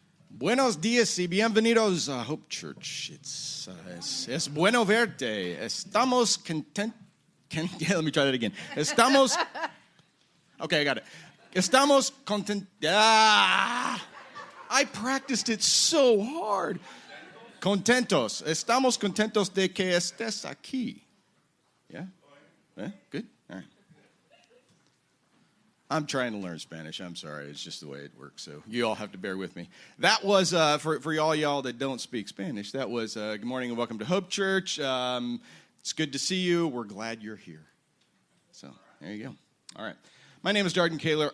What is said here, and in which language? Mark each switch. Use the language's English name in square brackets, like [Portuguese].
[Spanish] Buenos dias y bienvenidos a Hope Church. [English] It's [Spanish] bueno verte. Estamos content, Estamos. [English] Okay, I got it. [Spanish] Estamos contentos. [English] Ah, I practiced it so hard. [Spanish] Contentos. Estamos contentos de que estés aquí. [English] Yeah? Yeah? Good? All right. I'm trying to learn Spanish. I'm sorry. It's just the way it works. So you all have to bear with me. That was, for all y'all that don't speak Spanish, that was good morning and welcome to Hope Church. It's good to see you. We're glad you're here. So there you go. All right. My name is Darden Kaler.